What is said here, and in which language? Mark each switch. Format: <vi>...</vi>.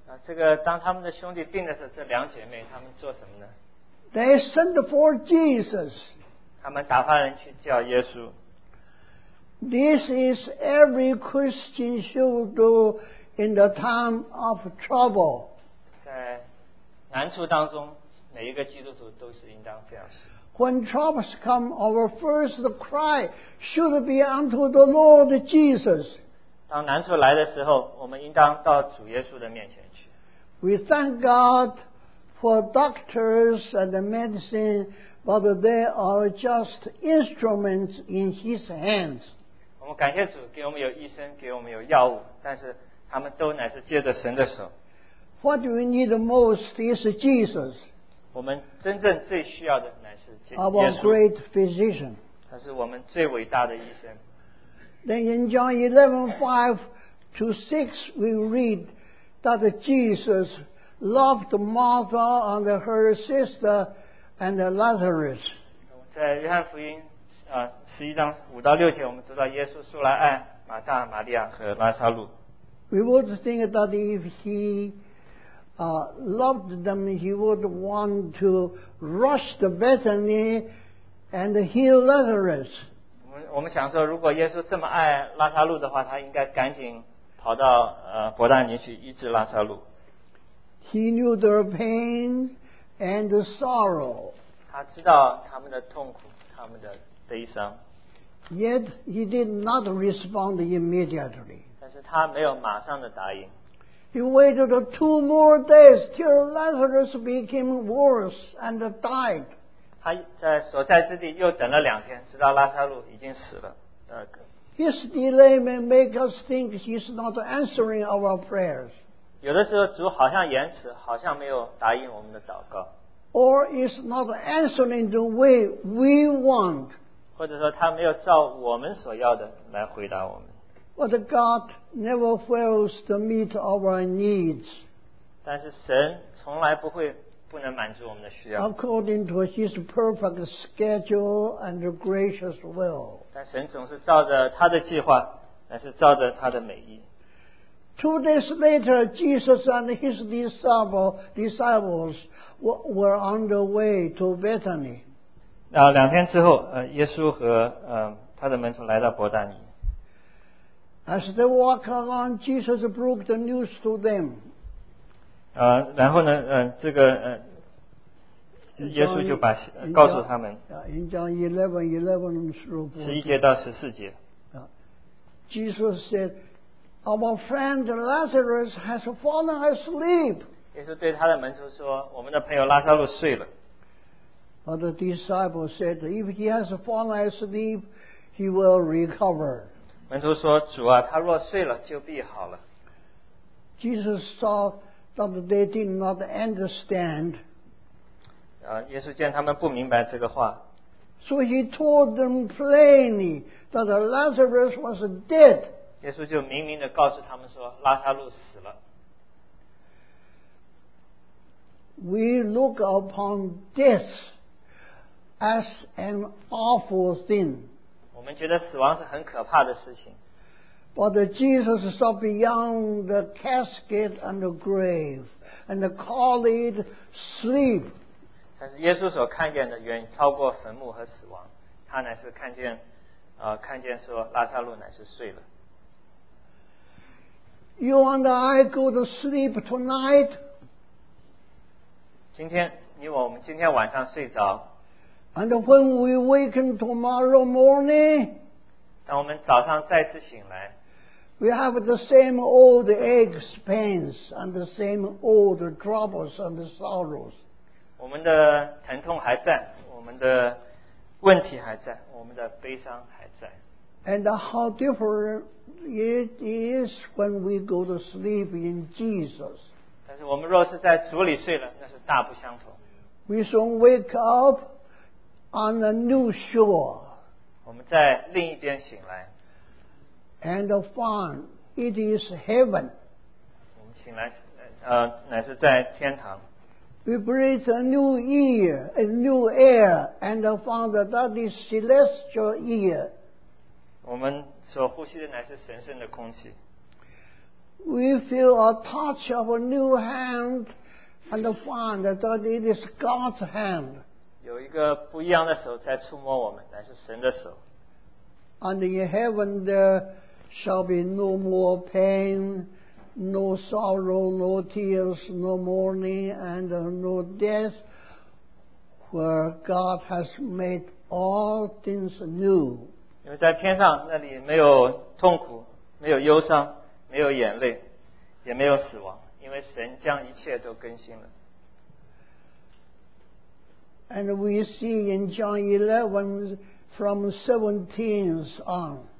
<zh>这个当他们的兄弟病的时候，这两姐妹他们做什么呢？</zh> <en>They sent for Jesus.</en> <zh>他们打发人去叫耶稣。</zh> <en>This is every Christian should do in the time of trouble.</en> <zh>在难处当中，每一个基督徒都是应当这样事。</zh> <en>When troubles come, our first cry should be unto the Lord Jesus.</en> <zh>当难处来的时候，我们应当到主耶稣的面前去。</zh> <en>We thank God for doctors and medicine, but they are just instruments in His hands.</en> <zh>我们感谢主，给我们有医生，给我们有药物，但是他们都乃是借着神的手。</zh> <en>What we need most is Jesus.</en> <zh>我们真正最需要的乃是耶稣。</zh> <en>Our great physician.</en> <zh>他是我们最伟大的医生。</zh> <en>Then in John 11:5-6, we read that Jesus loved Martha and her sister and Lazarus.</en> <zh>在约翰福音11:5-6，我们知道耶稣素来爱马大、玛利亚和拉撒路。</zh> <en>We would think that if he loved them, he would want to rush to Bethany and heal Lazarus.</en> <zh>我们想说，如果耶稣这么爱拉撒路的话，他应该赶紧跑到伯大尼去医治拉撒路。</zh> <en>He knew their pain and the sorrow.</en> <zh>他知道他们的痛苦，他们的悲伤。</zh> <en>Yet he did not respond immediately.</en> <zh>但是他没有马上的答应。</zh> <en>He waited 2 more days till Lazarus became worse and died.</en> <zh>他在所在之地又等了两天，直到拉撒路已经死了。</zh> <en>His delay may make us think he's not answering our prayers.</en> <zh>有的时候主好像延迟，好像没有答应我们的祷告。</zh> <en>Or is not answering the way we want.</en> <zh>或者说他没有照我们所要的来回答我们。</zh> <en>But God never fails to meet our needs.</en> <zh>但是神从来不会不能满足我们的需要。</zh> <en>According to His perfect schedule and gracious will.</en> <zh>但神总是照着他的计划，乃是照着他的美意。</zh> <en>2 days later, Jesus and His disciples were on the way to Bethany.</en> <zh>两天之后，耶稣和他的门徒来到伯大尼。</zh> <en>As they walk along, Jesus broke the news to them.</en> <zh>然后呢，这个耶稣就把告诉他们。</zh> <en>In John 11:11-14.</en> <zh>11-14.</zh> <en>Jesus said, "Our friend Lazarus has fallen asleep."</en> <zh>耶稣对他的门徒说，我们的朋友拉撒路睡了。</zh> <en>But the disciples said, "If he has fallen asleep, he will recover."</en> <zh>门徒说，主啊，他若睡了就必好了。</zh> <en>Jesus saw that they did not understand.</en> <zh>耶稣见他们不明白这个话。</zh> <en>So he told them plainly that Lazarus was dead.</en> <zh>耶稣就明明地告诉他们说，拉撒路死了。</zh> <en>We look upon death as an awful thing.</en> <zh>我们觉得死亡是很可怕的事情。</zh> <en>But Jesus saw beyond the casket and the grave and called it sleep.</en> <zh>但是耶稣所看见的远超过坟墓和死亡，他乃是看见，看见说拉撒路乃是睡了。</zh> <en>You and I go to sleep tonight.</en> <zh>今天你我们今天晚上睡着。</zh> <en>And when we waken tomorrow morning,</en> <zh>当我们早上再次醒来,</zh> <en>we have the same old aches, pains, and the same old troubles and sorrows.</en> <zh>我们的疼痛还在，我们的问题还在，我们的悲伤还在。</zh> <en>And how different it is when we go to sleep in Jesus.</en> <zh>但是我们若是在主里睡了，那是大不相同。</zh> <en>We soon wake up. On a new shore.</en> <zh>我们在另一边醒来。</zh> <en>And found it is heaven.</en> <zh>我们醒来，乃是在天堂。</zh> <en>We breathe a new air, a new air, and found that is celestial air.</en> <zh>我们所呼吸的乃是神圣的空气。</zh> <en>We feel a touch of a new hand, and found that it is God's hand.</en> <zh>有一个不一样的手在触摸我们，乃是神的手。</zh> <en>And in heaven there shall be no more pain, no sorrow, no tears, no mourning, and no death, where God has made all things new.</en> <zh>因为在天上，那里没有痛苦，没有忧伤，没有眼泪，也没有死亡，因为神神将一切都更新了。</zh> <en>And we see in John 11 from 17 on.</en>